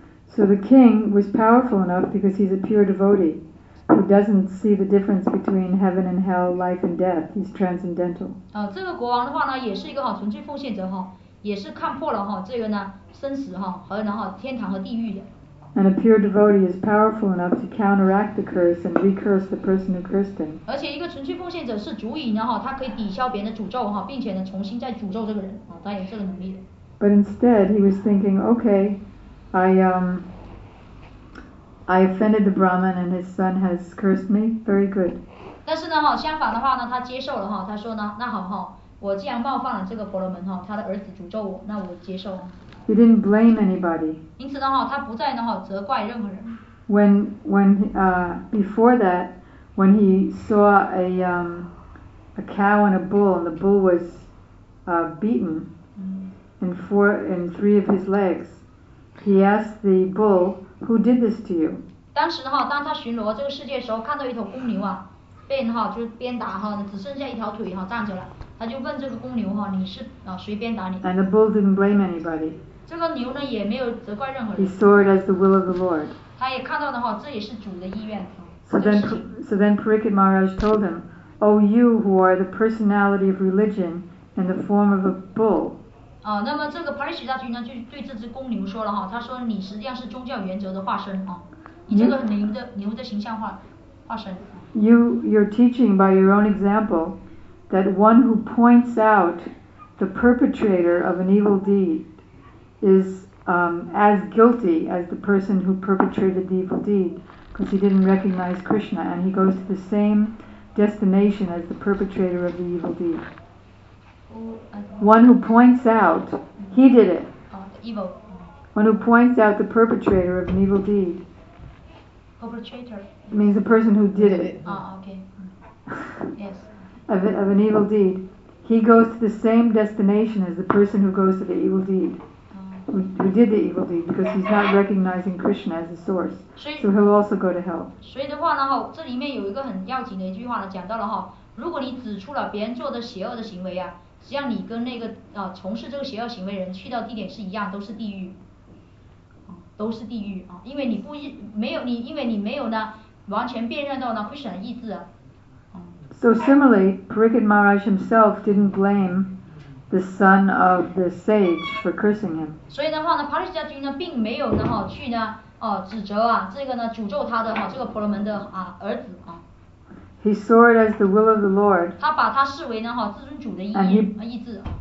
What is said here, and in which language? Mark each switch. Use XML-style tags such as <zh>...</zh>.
<en>So the king was powerful enough because he's a pure devotee. He doesn't see the difference between heaven and hell, life and death. He's transcendental.</en> <zh>这个国王也是一个纯粹奉献者，也是看破了生死和天堂和地狱的。</zh> <en>And a pure devotee is powerful enough to counteract the curse and recurse the person who cursed him.</en> <zh>而且一个纯粹奉献者是足以，他可以抵消别人的诅咒，并且重新再诅咒这个人，他也是有这个能力的。</zh> <en>But instead, he was thinking, okay, I offended the Brahmin and his son has cursed me. Very good.</en> <zh>但是呢哈，相反的话呢，他接受了哈，他说呢，那好哈，我既然冒犯了这个婆罗门哈，他的儿子诅咒我，那我接受。</zh> <en>He didn't blame anybody.</en> <zh>因此呢哈，他不再呢哈责怪任何人。</zh> <en>Before that, when he saw a cow and a bull, and the bull was beaten in three of his legs, he asked the bull, "Who did this to you?"</en> <zh>当时哈，当他巡逻这个世界的时候，看到一头公牛啊，被哈就是鞭打哈，只剩下一条腿哈站着了，他就问这个公牛哈，你是啊谁鞭打你</zh> <en>？And the bull didn't blame anybody.</en> <zh>这个牛呢也没有责怪任何人。</zh> <en>He saw it as the will of the Lord.</en> <zh>他也看到的哈，这也是主的意愿。</zh> <en>So then Parikshit Maharaj told him, "O you who are the personality of religion in the form of a bull."</en> <zh>啊，那么这个 Parikshit 大君呢，就对这只公牛说了哈，他说你实际上是宗教原则的化身啊，你这个牛的形象化身。</zh> <en>You're teaching by your own example that one who points out the perpetrator of an evil deed is as guilty as the person who perpetrated the evil deed. Because he didn't recognize Krishna, and he goes to the same destination as the perpetrator of the evil deed. One who points out, he did it. One who points out the perpetrator of an evil deed. Perpetrator. Means the person who did it. Okay. Yes. Of an evil deed. He goes to the same destination as the person who goes to the evil deed. Who did the evil deed because he's not recognizing Krishna as the source. So he'll also go to hell.</en> <zh>所以的话呢哈，这里面有一个很要紧的一句话呢，讲到了哈，如果你指出了别人做的邪恶的行为啊，实际上你跟那个啊从事这个邪恶行为人去到地点是一样，都是地狱，都是地狱啊，因为你不没有你，因为你没有呢完全辨认到呢 Krishna 的意志啊。</zh> <en>So similarly, Parikshit Maharaj himself didn't blame. The son of the sage for cursing him.</en> <zh>所以的话呢，帕利加君呢，并没有呢哈去呢哦指责啊这个呢诅咒他的哈这个婆罗门的啊儿子啊。</zh> <en>He saw it as the will of the Lord.</en> <zh>他把他视为呢哈至尊主的意志。</zh>